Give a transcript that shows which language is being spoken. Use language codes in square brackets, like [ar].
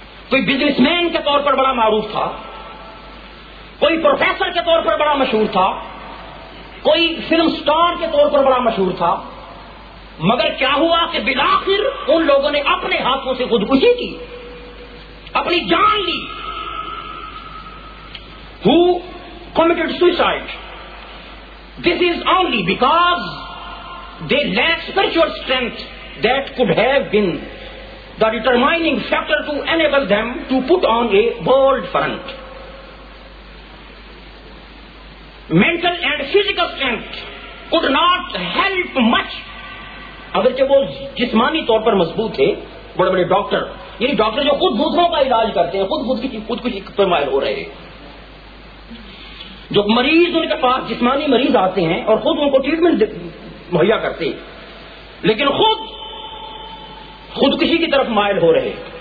[ur] کوئی business man کے طور پر بڑا معروف تھا, کوئی پروفیسر کے طور پر بڑا مشہور تھا, کوئی فلم اسٹار کے طور پر بڑا مشہور تھا. مگر کیا ہوا کہ بالآخر ان لوگوں نے اپنے ہاتھوں سے خودکشی کی, اپنی جان لی. [en] Who committed suicide? This is only because they lack spiritual strength that could have been the determining factor to enable them to put on a bold front. Mental and physical strength could not help much. [ur] اگرچہ وہ جسمانی طور پر مضبوط تھے, بڑے بڑے doctor, یعنی doctor جو خود دوسروں کا علاج کرتے ہیں, خود کچھ پر مائل ہو رہے ہیں. جو مریض ان کے پاس جسمانی مریض آتے ہیں اور خود ان کو ٹریٹمنٹ مہیا کرتے ہیں, لیکن خود خودکشی کی طرف مائل ہو رہے.